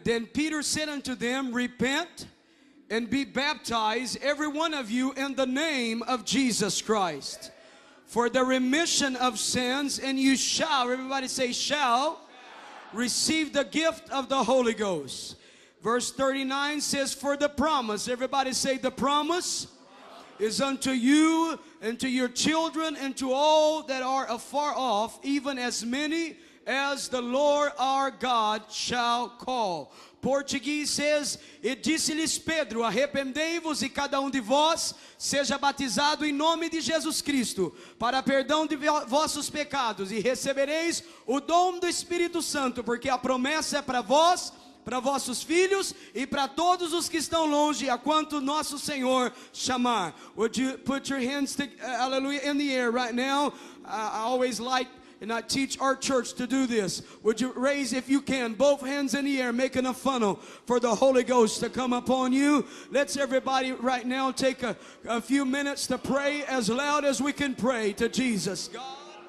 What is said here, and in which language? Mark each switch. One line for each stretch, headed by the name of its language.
English: Then Peter said unto them, repent and be baptized, every one of you, in the name of Jesus Christ, for the remission of sins, and you shall, everybody say shall, receive the gift of the Holy Ghost. Verse 39 says, for the promise, everybody say the promise, is unto you and to your children and to all that are afar off, even as many as the Lord our God shall call. Portuguese says,
Portuguese: e disse-lhes Pedro, arrependei-vos e cada de vós seja batizado em nome de Jesus Cristo para perdão de vossos pecados e recebereis o dom do Espírito Santo, porque a promessa é para vós, para vossos filhos e para todos os que estão longe, a quanto nosso Senhor chamar.
English: Would you put your hands to, hallelujah, in the air right now? I always like, and I teach our church to do this. Would you raise, if you can, both hands in the air, making a funnel for the Holy Ghost to come upon you? Let's everybody right now take a few minutes to pray as loud as we can pray to Jesus. God.